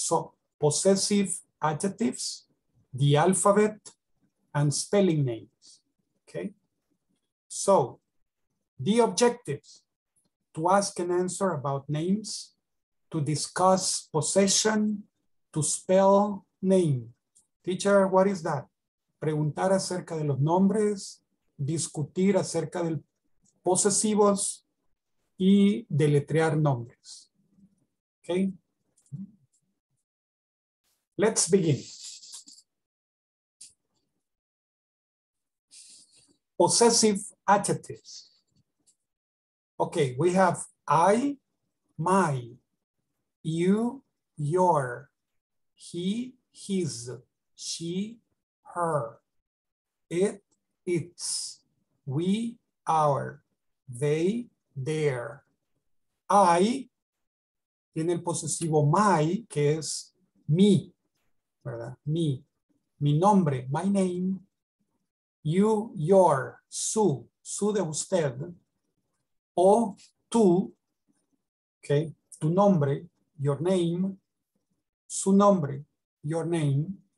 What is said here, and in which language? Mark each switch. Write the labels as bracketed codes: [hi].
[en] So, possessive adjectives, the alphabet, and spelling names. Okay, so the objectives, to ask and answer about names, to discuss possession, to spell name. Teacher, what is that? [es] Preguntar acerca de los nombres, discutir acerca del posesivos y deletrear nombres. [en] Okay. Let's begin. Possessive adjectives. Okay, we have I, my, you, your, he, his, she, her, it, its, we, our, they, their. [es] I tiene el posesivo my, que es me, ¿verdad? Me, mi nombre, [en] my name. You, your, [es] su de usted, o tú, okay, tu nombre, your name, su nombre, your name.